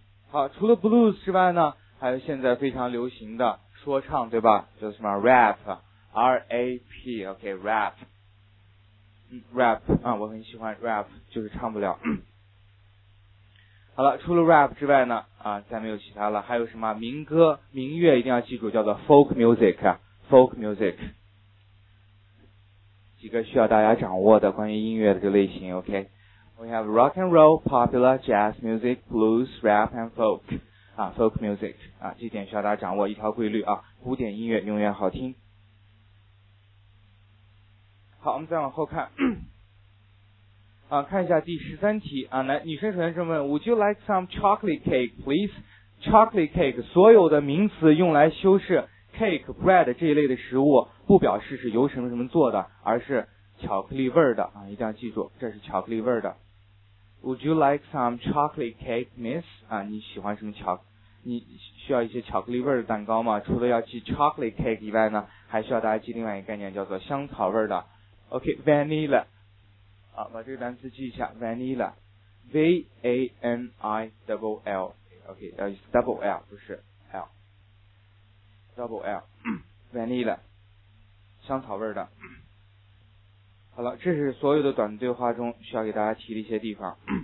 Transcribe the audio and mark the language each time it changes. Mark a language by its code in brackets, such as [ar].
[zh] 好，除了 blues 之外呢，还有现在非常流行的说唱，对吧，叫什么 rapR-A-P OK Rap、Rap 啊，我很喜欢 Rap， 就是唱不了。好了，除了 Rap 之外呢啊，再没有其他了。还有什么民歌民乐一定要记住，叫做 Folk Music。 Folk Music 几个需要大家掌握的关于音乐的这类型。 OK， [en] We have Rock and Roll, Popular, Jazz Music, Blues, Rap and Folk [zh] 啊 Folk Music 啊，这点需要大家掌握一条规律啊，古典音乐永远好听。好，我们再往后看啊，看一下第十三题啊，来，女生首先这么问 ， [en] Would you like some chocolate cake, please? [zh] Chocolate cake， 所有的名词用来修饰 cake、bread 这一类的食物，不表示是由什么什么做的，而是巧克力味的啊，一定要记住，这是巧克力味的。 [en] Would you like some chocolate cake, miss？ [zh] 啊，你喜欢什么巧？你需要一些巧克力味的蛋糕吗？除了要记 chocolate cake 以外呢，还需要大家记另外一个概念，叫做香草味的。OK, vanilla。好，把这个单词记一下 vanilla， V-A-N-I-double-L。 OK， 要意思 double L 不是 L， double L vanilla， 香草味的。好了，这是所有的短对话中需要给大家提的一些地方。